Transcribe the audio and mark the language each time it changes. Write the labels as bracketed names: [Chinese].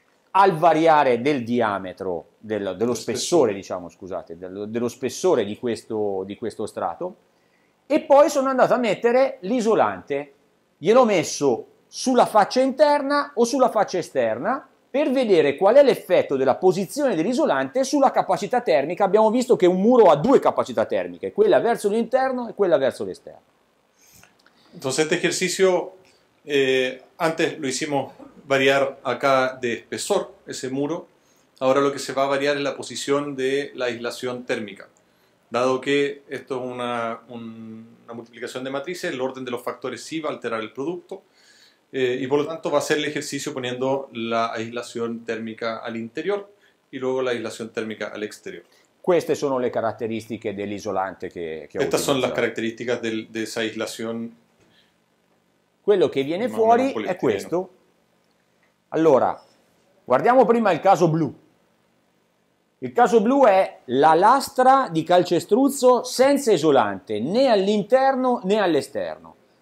[Italian] Al variare del diametro, dello spessore, diciamo, scusate, dello spessore di questo strato, e poi sono andato a mettere l'isolante. Gliel'ho messo sulla faccia interna o sulla faccia esterna per vedere qual è l'effetto della posizione dell'isolante sulla capacità termica. Abbiamo visto che un muro ha due capacità termiche, quella verso l'interno e quella verso l'esterno. [Spanish] Entonces, este ejercicio, antes lo hicimos variar acá de espesor ese muro. Ahora lo que se va a variar es la posición de la aislación térmica. Dado que esto es una multiplicación de matrices, el orden de los factores sí va a alterar el producto. Y por lo tanto va a ser el ejercicio poniendo la aislación térmica al interior y luego la aislación térmica al exterior. [Italian] Queste sono le caratteristiche dell'isolante che ho utilizzato. [Spanish] Son las características de esa aislación. [Italian] Quello che viene fuori è questo. Allora, guardiamo prima il caso blu. Il caso blu è la lastra di calcestruzzo senza isolante, né all'interno né all'esterno.